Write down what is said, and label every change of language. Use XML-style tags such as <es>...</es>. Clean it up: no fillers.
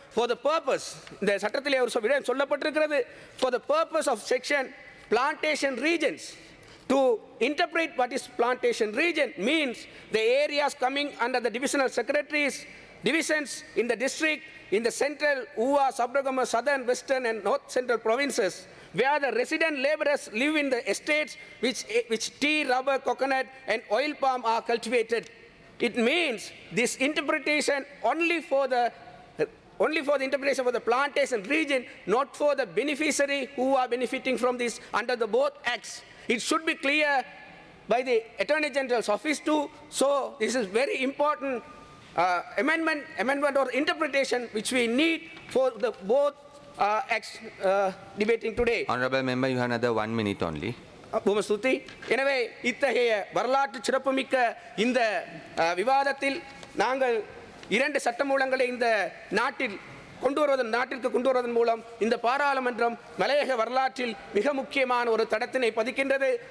<en>For the purpose, இந்த சட்டத்திலே ஒரு விடயம் சொல்லப்பட்டிருக்கிறது, for the purpose of section plantation regions to interpret what is plantation region means the areas coming under the divisional secretaries divisions in the district in the central Uva Sabaragamuwa southern western and north central provinces where the resident laborers live in the estates which tea, rubber, coconut and oil palm are cultivated. It means this interpretation only for the interpretation of the plantation region, not for the beneficiary who are benefiting from this under the both acts. It should be clear by the Attorney General's office too. So this is very important amendment or interpretation which we need for the both acts debating today. Honorable member, you have another 1 minute only. பூமஸ்தூதி.</en> <ta>எனவே இத்தகைய வரலாற்று சிறப்புமிக்க இந்த விவாதத்தில் நாங்கள் 2 சட்டமூலங்களை இந்த நாட்டில் கொண்டு வருவதன் மூலம் இந்த பாராளுமன்றம் மலையக வரலாற்றில் மிக முக்கியமான ஒரு தடத்தினை பதிக்கின்றது.</ta>